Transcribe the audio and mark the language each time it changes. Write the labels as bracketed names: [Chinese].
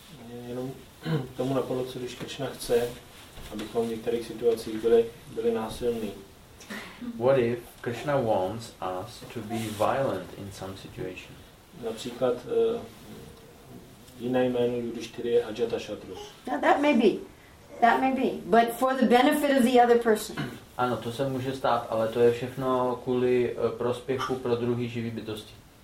[Czech] Mě jenom k tomu napadlo, co když Krishna chce, abychom v některých situacích byli násilní. [English] What if Krishna wants us to be violent in some situation? [Czech] Například jiné jméno Yudhishthira je Ajata Shatru. [English] That may be. But for the benefit of the other person. [Czech] Ano, to se může stát, ale to je všechno kvůli prospěchu pro druhý živý bytosti.